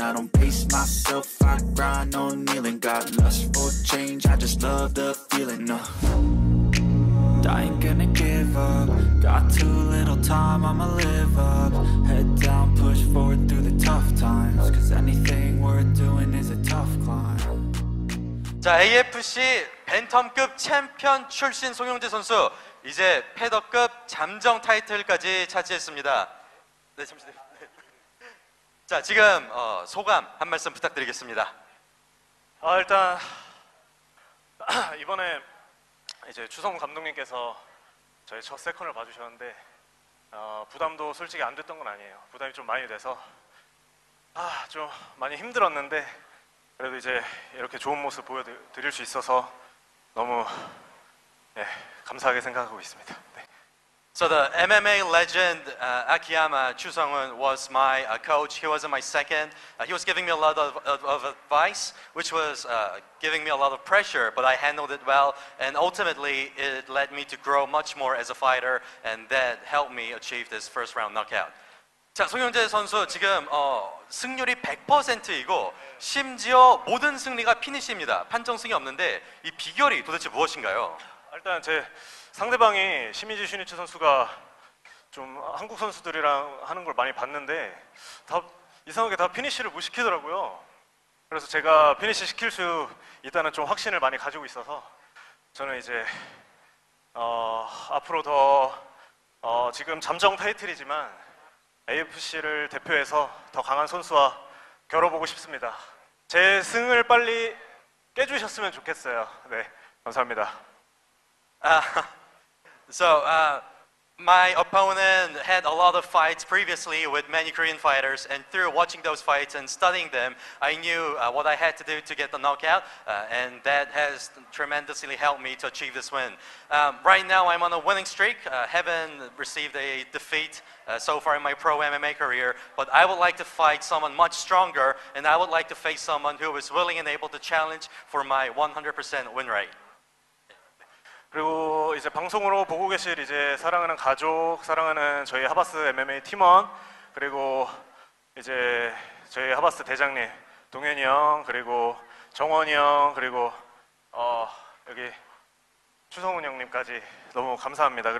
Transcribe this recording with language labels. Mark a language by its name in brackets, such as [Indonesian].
[English] I don't pace myself, I grind on kneeling. Got lust for change, I just love the feeling. I ain't gonna give up. Got too little time, I'ma live up. Head down, push forward through the tough times. Cause anything worth doing is a tough climb. [Korean] 자, AFC 벤텀급 챔피언 출신 송영재 선수 이제 패더급 잠정 타이틀까지 차지했습니다. 네, 잠시만요. 자, 지금 소감 한 말씀 부탁드리겠습니다. 일단 이번에 이제 추성훈 감독님께서 저희 첫 세컨을 봐주셨는데 부담도 솔직히 안 됐던 건 아니에요. 부담이 좀 많이 돼서 좀 많이 힘들었는데 그래도 이제 이렇게 좋은 모습 보여드릴 수 있어서 너무 감사하게 생각하고 있습니다. [English] So the MMA legend Akiyama Chusongun was my coach. He was my second. He was giving me a lot of advice, which was giving me a lot of pressure, but I handled it well. And ultimately, it led me to grow much more as a fighter, and that helped me achieve this first round knockout. [Korean] 자, 송영재 선수 지금 승률이 100%이고 심지어 모든 승리가 피니시입니다. 판정승이 없는데 이 비결이 도대체 무엇인가요? 일단 제 상대방이 시미즈 슈니츠 선수가 좀 한국 선수들이랑 하는 걸 많이 봤는데 다 이상하게 다 피니쉬를 못 시키더라고요. 그래서 제가 피니쉬 시킬 수 있다는 좀 확신을 많이 가지고 있어서 저는 이제 앞으로 더 지금 잠정 타이틀이지만 AFC를 대표해서 더 강한 선수와 겨뤄보고 싶습니다. 제 승을 빨리 깨주셨으면 좋겠어요. 네, 감사합니다. [English] My opponent had a lot of fights previously with many Korean fighters, and through watching those fights and studying them, I knew what I had to do to get the knockout, and that has tremendously helped me to achieve this win. Right now, I'm on a winning streak. Haven't received a defeat so far in my pro MMA career, but I would like to fight someone much stronger, and I would like to face someone who is willing and able to challenge for my 100% win rate. [Korean] 그리고 이제 방송으로 보고 계실 이제 사랑하는 가족, 사랑하는 저희 하바스 MMA 팀원, 그리고 이제 저희 하바스 대장님 동현이 형, 그리고 정원이 형, 그리고 여기 추성훈 형님까지 너무 감사합니다.